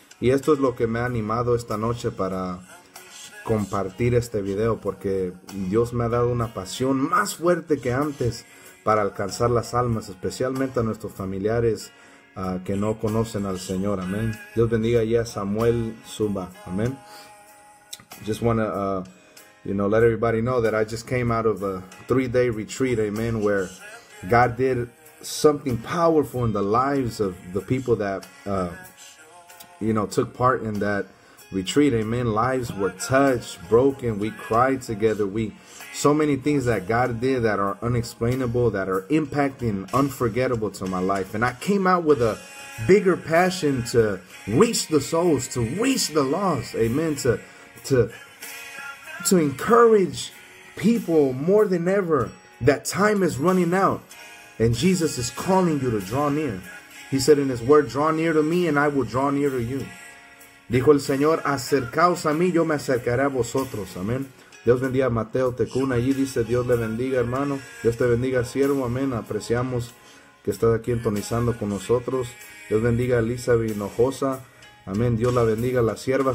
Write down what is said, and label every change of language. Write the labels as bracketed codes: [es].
[es] Y esto es lo que me ha animado esta noche para compartir este video, porque Dios me ha dado una pasión más fuerte que antes para alcanzar las almas, especialmente a nuestros familiares que no conocen al Señor, amén. Dios bendiga ya a Samuel Zumba, amén. [en] Just wanna you know, let everybody know that I just came out of a three-day retreat, amen, where God did something powerful in the lives of the people that, you know, took part in that retreat, amen. Lives were touched, broken, we cried together, so many things that God did that are unexplainable, that are impacting, unforgettable to my life. And I came out with a bigger passion to reach the souls, to reach the lost, amen, to encourage people more than ever that time is running out and Jesus is calling you to draw near. He said in his word, draw near to me and I will draw near to you. [es] Dijo el Señor, acercaos a mí, yo me acercaré a vosotros. Amén. Dios bendiga a Mateo Tecuna. Allí dice, Dios le bendiga, hermano. Dios te bendiga, siervo. Amén. Apreciamos que estás aquí entonizando con nosotros. Dios bendiga a Elizabeth Hinojosa. Amén. Dios la bendiga, la sierva.